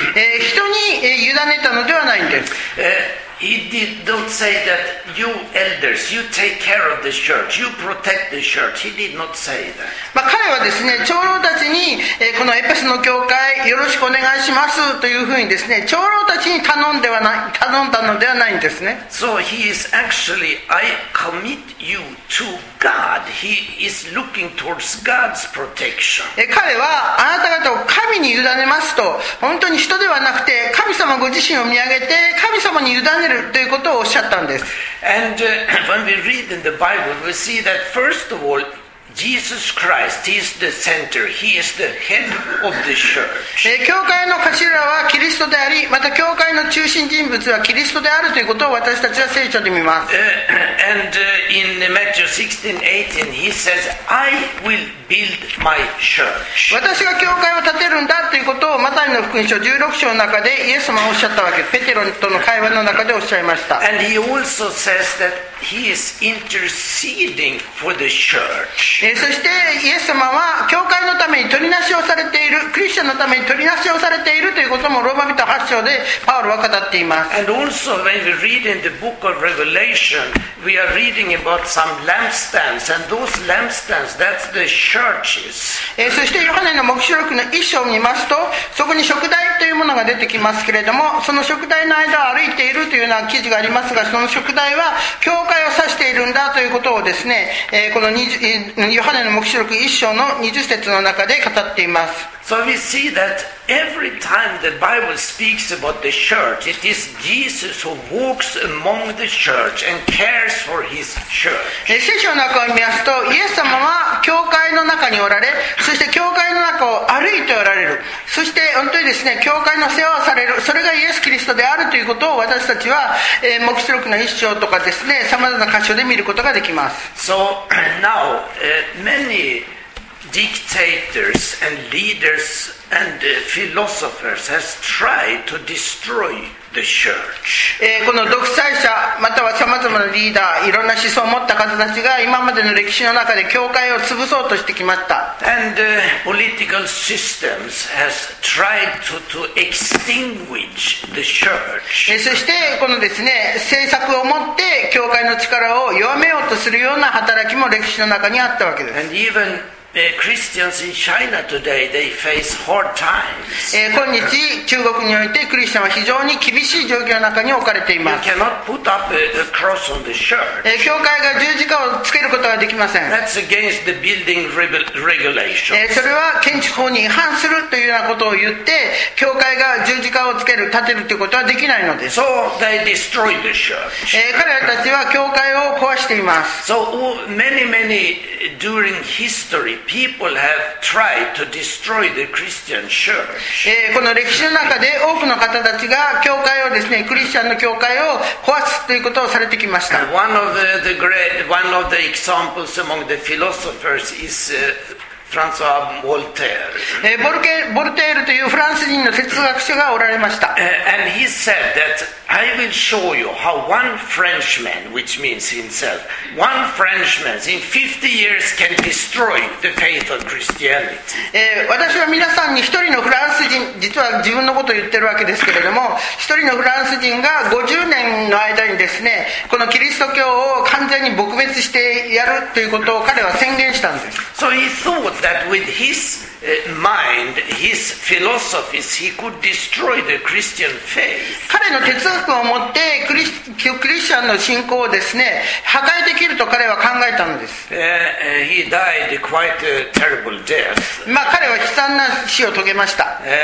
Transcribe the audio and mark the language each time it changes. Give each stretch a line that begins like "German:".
Japanese: 人に委ねたのではないんです。
English: He did not say that you elders, you take care of the church, you protect the church. He did not say that.
Japanese: まあ彼はですね、長老たちに、このエペソの教会よろしくお願いしますというふうにですね、長老たちに頼んだのではないんですね。
English: So he is actually, I commit you to God. He is looking towards God's protection.
Japanese: 彼はあなた方を神に委ねますと、本当に人ではなくて神様ご自身を見上げて神様に委ねということをおっしゃったんです。
English: And when we read in the Bible, we see that first of all, Jesus Christ is the center. He is the head of the church.
Japanese: 教会の頭はキリストであり、また教会の中心人物はキリストであるということを私たちは聖書で見ます。
English: And in Matthew 16:18, he says, I will build my church.
Japanese: 私が教会を建てるんだということをマタイの福音書16章の中でイエス様はおっしゃったわけ。ペテロとの会話の中でおっしゃいました。
English: And he also says that he is interceding for the church.
Japanese: そしてイエス様は教会のために取りなしをされている、クリスチャンのために取りなしをされているということもローマ人8章でパウロは語っています。
English: And also when we read in the book of Revelation, we are reading about some lampstands, and those lampstands, that's the churches.
Japanese: そしてヨハネの黙示録の1章を見ますと、そこに燭台というものが出てきますけれども、その燭台の間を歩いているというような記事がありますが、その燭台は教会を指しているんだということをですね、この20ヨハネの黙示録1章の20節の中で語っています。
English: So we see that every time the Bible speaks about the church, it is Jesus who walks among the church and cares for his church.
Japanese: 聖書の中を見ますと、イエス様は教会の中におられ、そして教会の中を歩いておられる、そして本当にですね、教会の世話をされる、それがイエスキリストであるということを私たちは、黙示録の一章とかですね、さまざまな箇所で見ることができます。
English: So now, many dictators and leaders and philosophers has tried to destroy the church.
Japanese: この独裁者またはさまざまなリーダー、いろんな思想を持った方たちが今までの歴史の中で教会を潰そうとしてきました。
English: And political systems has tried to extinguish the church.
Japanese: そしてこのですね、政策を持って教会の力を弱めようとするような働きも歴史の中にあったわけです。
English: And even Christians in China today, they face hard times.
Japanese: 今日中国においてクリスチャンは非常に厳しい状況の中に置かれています。
English: You cannot put up a cross on the church.
Japanese: 教会が十字架をつけることはできません。
English: That's against the building regulations.
Japanese: それは建築法に違反するというようなことを言って、教会が十字架をつける、建てるということはできないのです。
English: So they destroy the church.
Japanese: 彼らたちは教会を壊しています。
English: So many during history. People have tried to destroy the Christian church.
Japanese: この歴史の中で多くの方たちが教会をですね、クリスチャンの教会を壊すということをされてきました。
English: One of the examples among the philosophers is François Voltaire.
Japanese: ボルテールというフランス人の哲学者がおられました。
English: And he said that I will show you how one Frenchman, which means himself, one Frenchman in 50 years can destroy the faith of Christianity.
Japanese: 私は皆さんに一人のフランス人、実は自分のことを言ってるわけですけれども、一人のフランス人が50年の間にですね、このキリスト教を完全に撲滅してやるということを彼は宣言したんです。
English: So he thought that with his mind, his philosophies, he could destroy the Christian faith.
Japanese: 彼の哲学を持ってクリスチャンの信仰をですね、破壊できると彼は考えたんです。
English: He died quite a terrible death.
Japanese: まあ彼は悲惨な死を遂げました。